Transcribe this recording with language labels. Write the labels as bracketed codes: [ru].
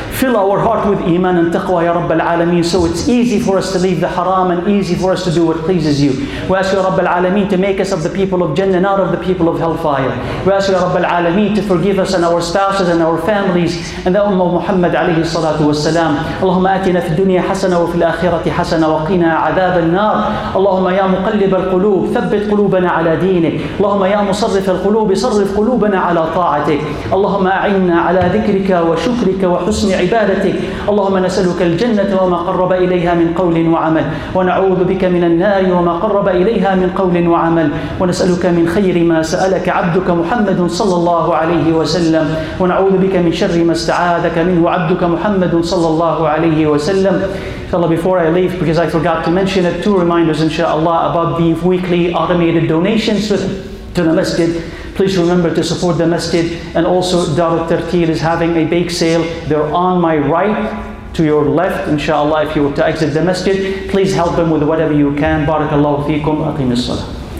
[en] Fill our heart with iman and taqwa, Ya Rabbil Alameen, so it's easy for us to leave the haram and easy for us to do what pleases you. We ask you, Ya Rabbil Alameen, to make us of the people of Jannah, not of the people of hellfire. We ask you, Ya Rabbil Alameen, to forgive us and our spouses and our families and the Ummah of Muhammad alayhi salatu wasalam. [ar] Allahumma آتنا في الدنيا حسنة وفي الآخرة حسنة وقنا عذاب النار. اللهم يا مقلب القلوب ثبت قلوبنا على دينك. اللهم يا مصرف القلوب صرف قلوبنا على طاعتك. اللهم أعنا على ذكرك وشكرك وحسن عبادتك. اللهم نسألك الجنة وما قرب إليها من قول وعمل، ونعوذ بك من النار وما قرب إليها من قول وعمل، ونسألك من خير ما سألك عبدك محمد صلى الله عليه وسلم، ونعوذ بك من شر ما استعاذك منه عبدك محمد صلى الله عليه وسلم. [en] InshaAllah, before I leave, because I forgot to mention it, two reminders inshaAllah about the weekly automated donations to the masjid. Please remember to support the masjid, and also Dar al-Tartil is having a bake sale. They're on my right to your left inshaAllah if you were to exit the masjid. Please help them with whatever you can. Barakallahu feekum. Aqim as-salah.